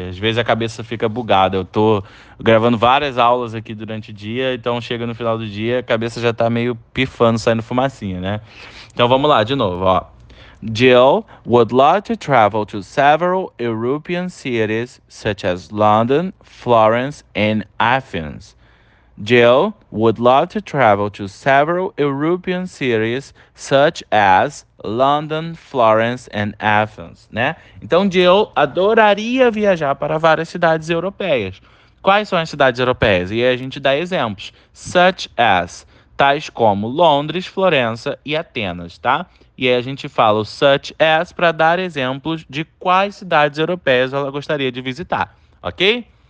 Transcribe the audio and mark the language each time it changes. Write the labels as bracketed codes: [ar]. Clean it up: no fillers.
[pt] Às vezes a cabeça fica bugada. Eu tô gravando várias aulas aqui durante o dia, então chega no final do dia, a cabeça já tá meio pifando, saindo fumacinha, né? Então vamos lá de novo, ó. [en] Jill would love to travel to several European cities, such as London, Florence, and Athens. Jill would love to travel to several European cities, such as London, Florence and Athens, né? [pt] Então, Jill adoraria viajar para várias cidades europeias. Quais são as cidades europeias? E aí a gente dá exemplos, such as, tais como Londres, Florença e Atenas, tá? E aí a gente fala o such as para dar exemplos de quais cidades europeias ela gostaria de visitar, ok?